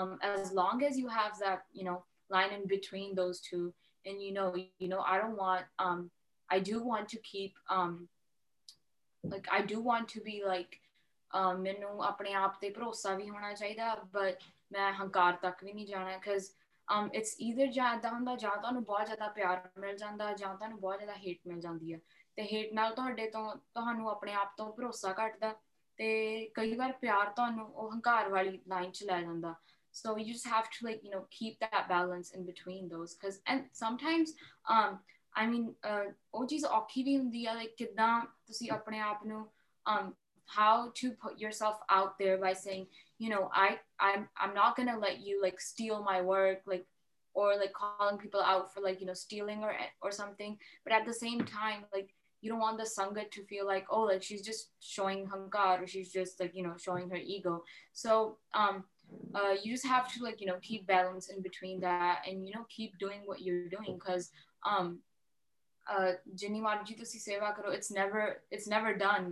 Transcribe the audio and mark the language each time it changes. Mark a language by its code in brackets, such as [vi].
[en] As long as you have that, you know, line in between those two, and you know, I don't want, I do want to keep, like, I do want to be like, [pa] mainu apne aap te bharosa vi hona chahida, [en] but [pa] main hankar tak vi nahi jana, [en] because it's either [pa] jada hunda ja tuhanu bahut jada pyar mil janda ja tuhanu bahut jada hate mil jandi hai. Hate ਨਾਲ ਤੁਹਾਡੇ ਤੋਂ ਤੁਹਾਨੂੰ ਆਪਣੇ ਆਪ ਤੋਂ ਭਰੋਸਾ ਘੱਟਦਾ, ਤੇ ਕਈ ਵਾਰ ਪਿਆਰ ਤੁਹਾਨੂੰ ਉਹ ਹੰਕਾਰ ਵਾਲੀ ਲਾਈਨ 'ਚ ਲੈ ਜਾਂਦਾ. [en] so you just have to like you know keep that balance in between those, because and sometimes I mean [pa] ਉਹ ਚੀਜ਼ ਔਖੀ ਵੀ ਹੁੰਦੀ ਆ, ਲਾਈਕ ਕਿੱਦਾਂ ਤੁਸੀਂ ਆਪਣੇ ਆਪ ਨੂੰ [en] How to put yourself out there by saying you know, I'm not gonna let you like steal my work, like, or like calling people out for like, you know, stealing or something. But at the same time, like, you don't want the sangha to feel like, oh, like she's just showing hankar, or she's just like, you know, showing her ego. So you just have to like, you know, keep balance in between that, and you know, keep doing what you're doing, because [pa] jinni maraji tusi seva karo, [en] it's never done.